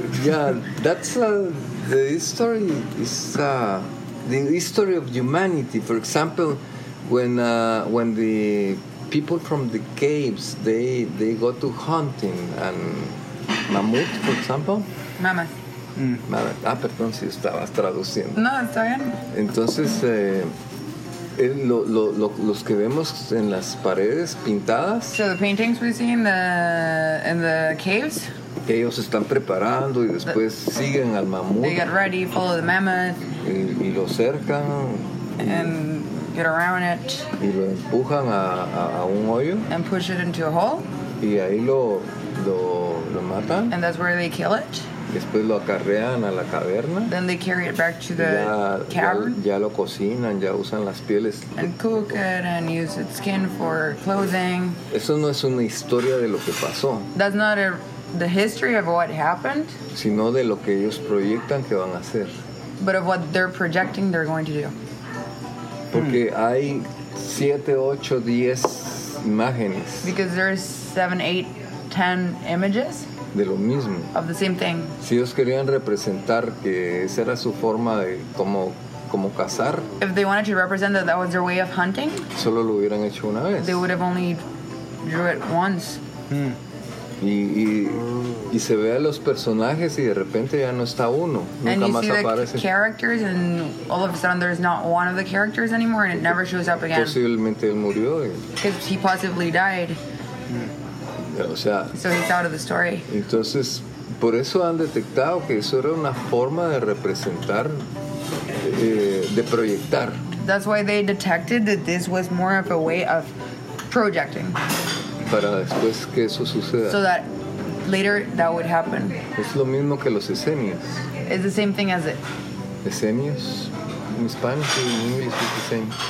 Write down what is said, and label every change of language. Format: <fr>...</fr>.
<en>Yeah, that's the history is the history of humanity. For example, when the people from the caves they go to hunting and mammoth, for example. Mammoth.</en> <es>Ah, perdón, si estabas traduciendo. No, está bien. Entonces los que vemos en las paredes pintadas.</es> <en>So the paintings we see in the caves.</en> <es>Que ellos están preparando y después siguen al mamut.</es> <en>They get ready, follow the mammoth.</en> <es>Y lo cercan.</es> <en>And get around it.</en> <es>Y lo empujan a un hoyo.</es> <en>And push it into a hole.</en> <es>Y ahí lo matan.</es> <en>And that's where they kill it.</en> <es>Después lo acarrean a la caverna.</es> <en>Then they carry it back to the cavern.</en> <es>Ya lo cocinan, ya usan las pieles.</es> <en>And cook it and use its skin for clothing.</en> <es>Eso no es una historia de lo que pasó.</es> <en>That's not the history of what happened.</en> <es>Sino de lo que ellos proyectan que van a hacer.</es> <en>But of what they're projecting they're going to do.</en> <es>Porque hay 7, 8, 10 imágenes.</es> <en>Because there are 7, 8, 10 images.</en> <es>De lo mismo.</es> <en>Of the same thing.</en> <es>Si ellos querían representar que esa era su forma de como cazar.</es> <en>If they wanted to represent that was their way of hunting.</en> <es>Solo lo hubieran hecho una vez.</es> <en>They would have only drew it once.</en> <es>Y se ve a los personajes y de repente ya no está uno. Nunca</es> <en>and you</en> <es>más</es> <en>see</en> <es>aparece.</es> <en>The characters and all of a sudden there's not one of the characters anymore and it never shows up again.</en> <es>Posiblemente él murió.</es> <en>Because he possibly died.</en> <es>O sea,</es> <en>so he's out of the story.</en> <es>Entonces, por eso han detectado que eso era una forma de representar, de proyectar.</es> <en>That's why they detected that this was more of a way of projecting.</en> <es>Para después que eso suceda.</es> <en>So that later that would happen.</en> <es>Es lo mismo que los esenios.</es> <en>It's the same thing as it. Esenios. In Spanish, in English, it's the same.</en>